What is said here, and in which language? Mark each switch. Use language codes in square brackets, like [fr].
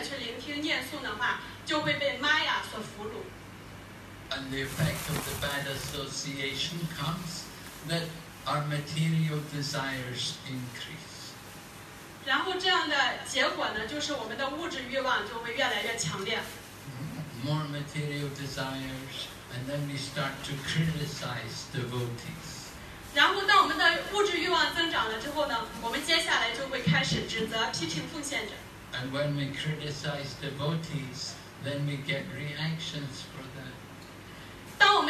[zh] 如果我们每天不是这种很认真的去聆听念诵的话，就会被Maya所俘虏。 [en] And the effect of the bad association comes that our material desires increase. [zh] 然后这样的结果呢，就是我们的物质欲望就会越来越强烈。 [en] More material desires, and then we start to criticize devotees. [zh] 然后当我们的物质欲望增长了之后呢，我们接下来就会开始指责批评奉献者。 [en] And when we criticize devotees, then we get reactions for that.